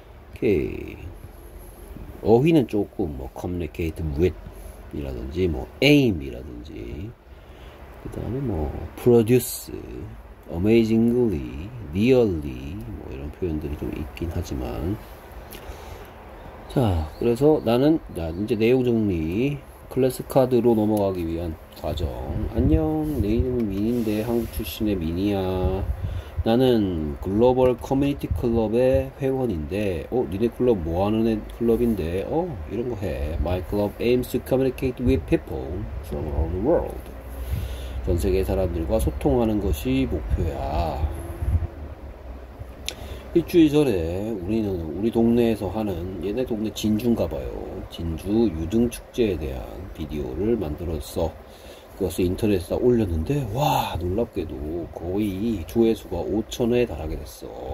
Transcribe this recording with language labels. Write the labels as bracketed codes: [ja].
[ko] 오케이. 어휘는 조금 뭐 communicate with이라든지 뭐 aim이라든지 그다음에 뭐 produce, amazingly, nearly 뭐 이런 표현들이 좀 있긴 하지만 자 그래서 나는 자 이제 내용 정리. 클래스 카드로 넘어가기 위한 과정. 안녕, 내 이름은 민인데 한국 출신의 민이야. 나는 글로벌 커뮤니티 클럽의 회원인데, 니네 클럽 뭐 하는 클럽인데, 이런 거 해. [en] My club aims to communicate with people from around the world. [ko] 전 세계 사람들과 소통하는 것이 목표야. 일주일 전에 우리는 우리 동네에서 하는 얘네 동네 진주인가 봐요. 진주 유등 축제에 대한 비디오를 만들었어. 그것을 인터넷에다 올렸는데 와 놀랍게도 거의 조회수가 5천에 달하게 됐어.